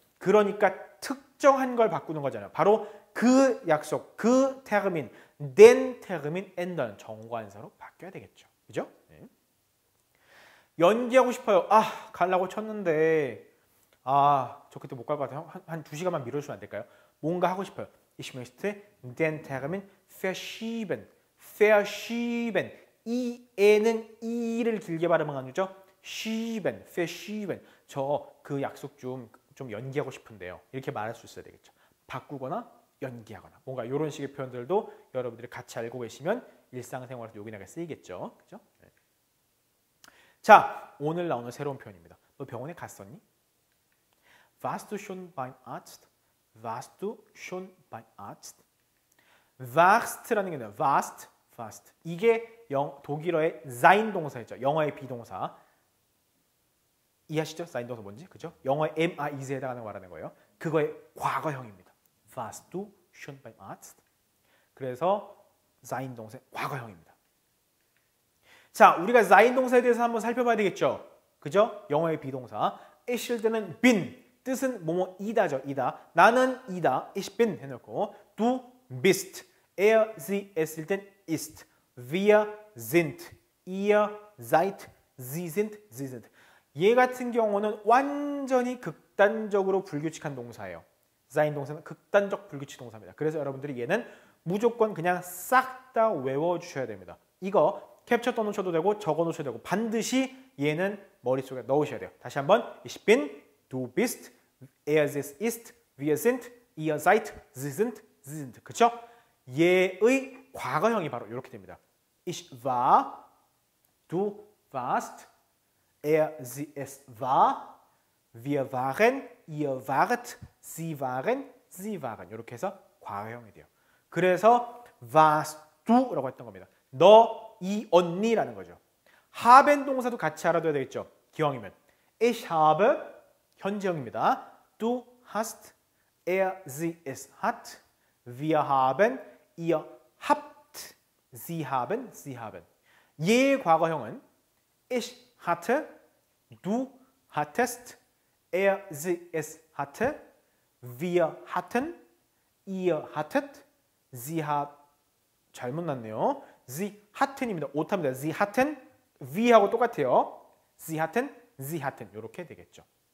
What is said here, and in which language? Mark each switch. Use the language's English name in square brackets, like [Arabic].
[Korean] 그러니까 특정한 걸 바꾸는 거잖아요. 바로 그 약속, 그 termin, [German] den termin ändern [Korean] 정관사로 바뀌어야 되겠죠. 그죠? 네. 연기하고 싶어요. 가려고 쳤는데 저 그때 못 갈 것 같아요. 한 2시간만 미뤄주면 안 될까요? 뭔가 하고 싶어요. [German] Ich möchte den Termin verschieben. Verschieben. [Korean] 이 애는 이를 길게 발음한 거죠. [German] Schieben. Verschieben. [Korean] 저 그 약속 좀 연기하고 싶은데요. 이렇게 말할 수 있어야 되겠죠. 바꾸거나 연기하거나. 뭔가 이런 식의 표현들도 여러분들이 같이 알고 계시면 일상생활에서 요긴하게 쓰이겠죠. 그죠? 네. 자, 오늘 나오는 새로운 표현입니다. 너 병원에 갔었니? [German] Warst du schon beim Arzt? Warst du schon beim Arzt? [Korean] Warst라는 게 뭐야? [German] Warst, warst. [Korean] 이게 독일어의 sein 동사였죠. 영어의 비동사. 이해하시죠? sein 동사 뭔지? 그죠? 영어의 am, are, is에 해당하는 거 말하는 거예요. 그거의 과거형입니다. [German] Warst du schon beim Arzt? [Korean] 그래서 sein 동사의 과거형입니다. 자, 우리가 sein 동사에 대해서 한번 살펴봐야 되겠죠? 그죠? 영어의 비동사. ist일 때는 bin. 뜻은 뭐뭐 이다죠. 이다. 나는 이다. [German] Ich bin [Korean] 해놓고 [German] Du bist. Er, sie, es일 땐 ist. Wir sind. Ihr seid. Sie sind. Sie sind. [Korean] 얘 같은 경우는 완전히 극단적으로 불규칙한 동사예요. sein 동사는 극단적 불규칙 동사입니다. 그래서 여러분들이 얘는 무조건 그냥 싹 다 외워주셔야 됩니다. 이거 캡처 떠놓으셔도 되고 적어놓으셔도 되고 반드시 얘는 머릿속에 넣으셔야 돼요. 다시 한번 Ich bin. [German] Du bist, er ist, ist, wir sind, ihr seid, sie sind, sie sind. [Korean] 그쵸? 얘의 과거형이 바로 이렇게 됩니다. [German] Ich war, du warst, er, sie, es war, wir waren, ihr wart, sie waren, sie waren. [Korean] 이렇게 해서 과거형이 돼요. 그래서 warst du 라고 했던 겁니다. 너, 이, 언니라는 거죠. haben 동사도 같이 알아둬야 되겠죠. 기왕이면. [German] Ich habe, [Korean] 현지형입니다. [German] Du hast, er, sie, es hat, wir haben, ihr habt, sie haben, sie haben. 얘의 과거형은 Ich hatte, du hattest, er, sie, es hatte, wir hatten, ihr hattet, sie hat... [Korean] 잘못 났네요. [German] Sie hatten입니다. [Korean] 오타입니다. [German] Sie hatten, wir하고 똑같아요. [Korean] Sie hatten, 이렇게 되겠죠.